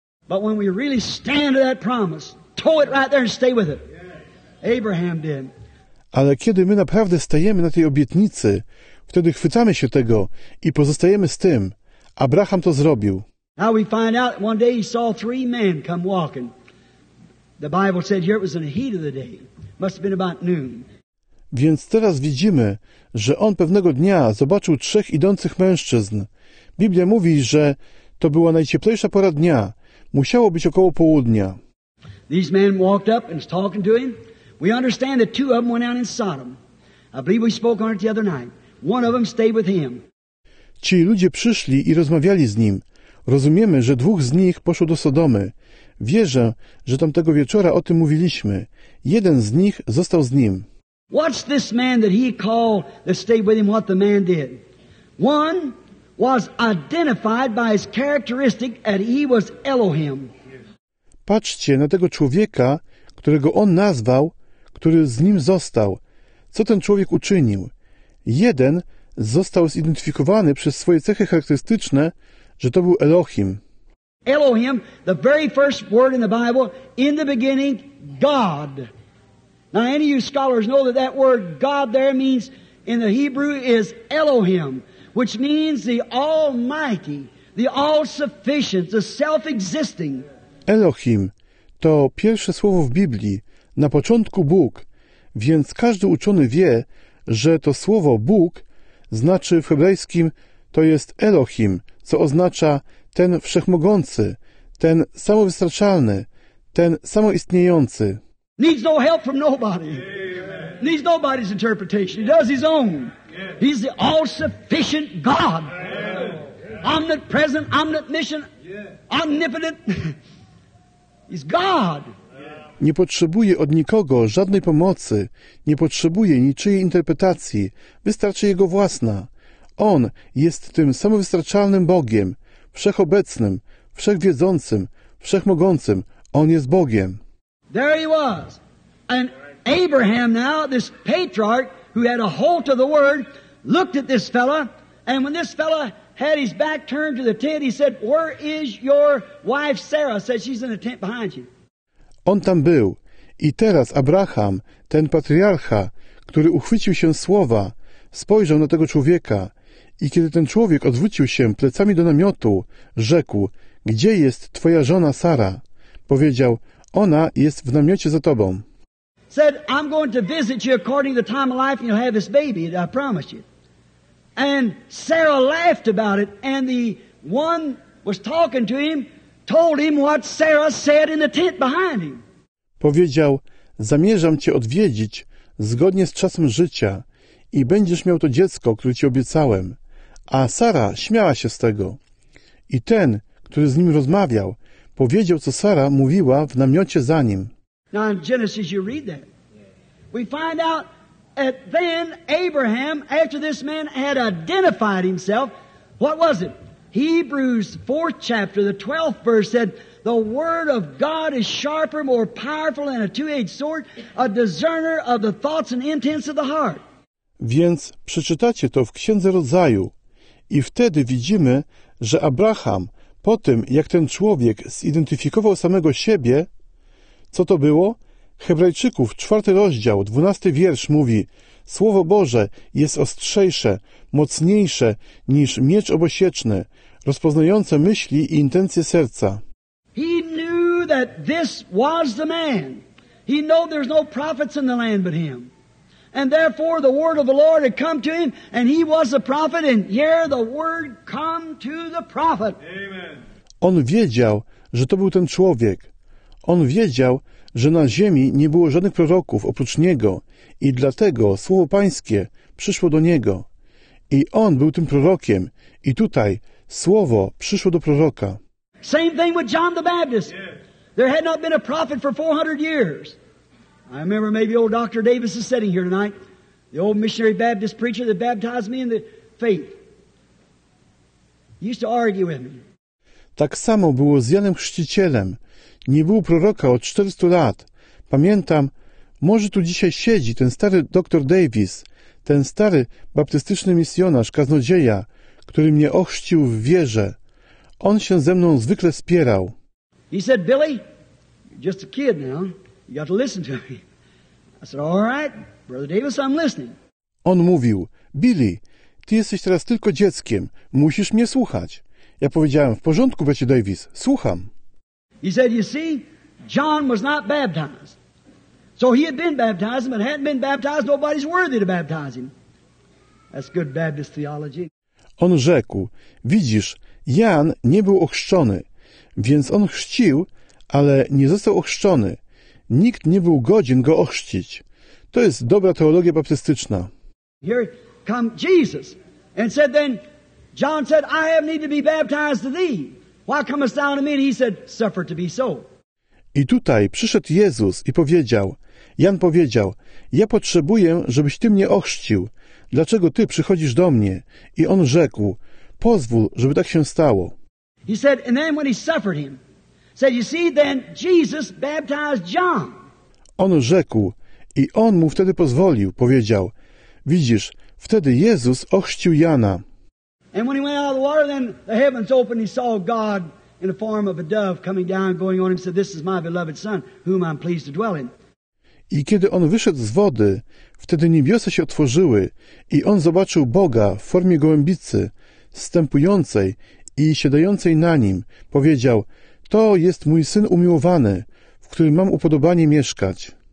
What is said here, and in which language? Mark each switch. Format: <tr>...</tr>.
<en>But when we really stand to that promise, tow it right there and stay with it. Abraham did.</en> <pl>Ale kiedy my naprawdę stajemy na tej obietnicy, wtedy chwytamy się tego i pozostajemy z tym. Abraham to zrobił.</pl> <en>Now we find out one day he saw three men come walking. The Bible said here it was in the heat of the day. Must have been about noon.</en> <pl>Więc teraz widzimy, że on pewnego dnia zobaczył trzech idących mężczyzn. Biblia mówi, że to była najcieplejsza pora dnia. Musiało być około południa.</pl> <en>These men walked up and was talking to him. We understand that two of them went out in Sodom. I believe we spoke on it the other night. One of them stayed with him.</en> <pl>Ci ludzie przyszli i rozmawiali z nim. Rozumiemy, że dwóch z nich poszło do Sodomy. Wierzę, że tamtego wieczora o tym mówiliśmy. Jeden z nich został z nim.</pl> <en>Watch this man that he called that stayed with him, what the man did. One was identified by his characteristic that he was Elohim.</en> <pl>Patrzcie na tego człowieka, którego on nazwał, który z nim został. Co ten człowiek uczynił? Jeden został zidentyfikowany przez swoje cechy charakterystyczne, że to był Elohim.</pl> <en>Elohim, the very first word in the Bible, in the beginning, God. Now, any of you scholars know that that word God there means in the Hebrew is Elohim, which means the Almighty, the All-Sufficient, the Self-Existing.</en> <pl>Elohim to pierwsze słowo w Biblii, na początku Bóg, więc każdy uczony wie, że to słowo Bóg znaczy w hebrajskim to jest Elohim, co oznacza ten wszechmogący, ten samowystarczalny, ten samoistniejący.</pl> <en>Needs no help from nobody. Amen. Needs nobody's interpretation. He does his own. Yes. He's the all-sufficient God. Yes. Omnipresent, omniscient, yes. Omnipotent. He's God.</en> <pl>Nie potrzebuje od nikogo żadnej pomocy, nie potrzebuje niczyjej interpretacji, wystarczy jego własna. On jest tym samowystarczalnym Bogiem, wszechobecnym, wszechwiedzącym, wszechmogącym. On jest Bogiem.</pl> <en>There he was. And Abraham now, this patriarch who had a hold to the word, looked at this fella, and when this fella had his back turned to the tent, he said, "Where is your wife Sarah?" Said, "She's in the tent behind you."</en> <pl>On tam był. I teraz Abraham, ten patriarcha, który uchwycił się słowa, spojrzał na tego człowieka. I kiedy ten człowiek odwrócił się plecami do namiotu, rzekł, "Gdzie jest twoja żona Sara?" Powiedział, "Ona jest w namiocie za tobą."</pl> <en>Said, "I'm going to visit you according to the time of life and you'll have this baby that I promised you." And Sarah laughed about it and the one was talking to him told him what Sarah said in the tent behind him.</en> <pl>Powiedział, zamierzam cię odwiedzić zgodnie z czasem życia i będziesz miał to dziecko, które ci obiecałem. A Sara śmiała się z tego. I ten, który z nim rozmawiał, powiedział, co Sara mówiła w namiocie za nim.</pl> <en>Now in Genesis you read that. We find out that then Abraham, after this man had identified himself, what was it? Hebrews 4th chapter, the 12th verse said, the word of God is sharper, more powerful than a two-edged sword, a discerner of the thoughts and intents of the heart.</en> <pl>Więc przeczytacie to w Księdze Rodzaju i wtedy widzimy, że Abraham, po tym jak ten człowiek zidentyfikował samego siebie, co to było? Hebrajczyków, 4 rozdział, 12 wiersz mówi, Słowo Boże jest ostrzejsze, mocniejsze niż miecz obosieczny, rozpoznające myśli i intencje serca.</pl> <en>He knew that this was the man. He knew there's no prophets in the land but him. And therefore the word of the Lord had come to him, and he was the prophet, and here the word come to the prophet. Amen.</en> <pl>On wiedział, że to był ten człowiek. On wiedział, że na ziemi nie było żadnych proroków oprócz niego i dlatego Słowo Pańskie przyszło do niego. I on był tym prorokiem i tutaj Słowo przyszło do proroka.</pl> <en>Same thing with John the Baptist. There had not been a prophet for 400 years. I remember maybe old Dr. Davis is sitting here tonight, the old missionary Baptist preacher that baptized me in the faith. He used to argue with me.</en> <pl>Tak samo było z Janem Chrzcicielem. Nie było proroka od 400 lat. Pamiętam, może tu dzisiaj siedzi ten stary dr Davis, ten stary baptystyczny misjonarz, kaznodzieja, który mnie ochrzcił w wierze. On się ze mną zwykle spierał.</pl> <en>He said, Billy, you're just a kid now. You got to listen to me. I said, all right, brother Davis, I'm listening.</en> <pl>On mówił, Billy, ty jesteś teraz tylko dzieckiem, musisz mnie słuchać. Ja powiedziałem, w porządku, bracie Davis, słucham.</pl> <en>He said, you see, John was not baptized. So he had been baptized, but hadn't been baptized, nobody's worthy to baptize him. That's good Baptist theology.</en> <pl>On rzekł, widzisz, Jan nie był ochrzczony, więc on chrzcił, ale nie został ochrzczony. Nikt nie był godzien go ochrzcić. To jest dobra teologia baptystyczna.</pl> <en>Here come Jesus, and said then, John said, I have need to be baptized to thee. Why comest thou to me? And he said, suffer to be so.</en> <pl>I tutaj przyszedł Jezus i powiedział, Jan powiedział, ja potrzebuję, żebyś ty mnie ochrzcił. Dlaczego ty przychodzisz do mnie? I on rzekł, pozwól, żeby tak się stało.</pl> <en>He said, and then when he suffered him, said, you see, then Jesus baptized John.</en> <pl>On rzekł, i on mu wtedy pozwolił, powiedział, widzisz, wtedy Jezus ochrzcił Jana.</pl> <en>And when he went out of the water, then the heavens opened, he saw God in the form of a dove coming down, going on him, said, "This is my beloved son, whom I'm pleased to dwell in."</en> <pl>I kiedy on wyszedł z wody, wtedy niebiosa się otworzyły i on zobaczył Boga w formie gołębicy, wstępującej i siadającej na nim, powiedział, to jest mój syn umiłowany, w którym mam upodobanie mieszkać.</pl>